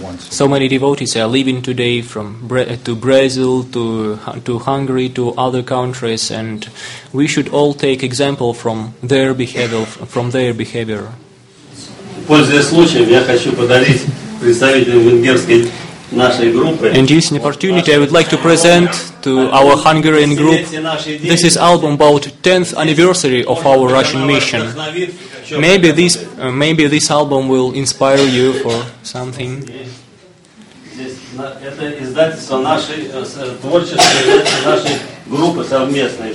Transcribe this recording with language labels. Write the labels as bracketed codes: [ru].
[en] So many devotees are leaving today from to Brazil, to Hungary, to other countries, and we should all take example from their behavior. [ru] Пользуясь случаем, я хочу подарить представителям венгерской нашей группы. [en] And using opportunity, I would like to present to our Hungarian group. This is album about 10th anniversary of our Russian mission. Maybe this album will inspire you for something. [ru] Это издательство нашей творческой нашей группы совместной.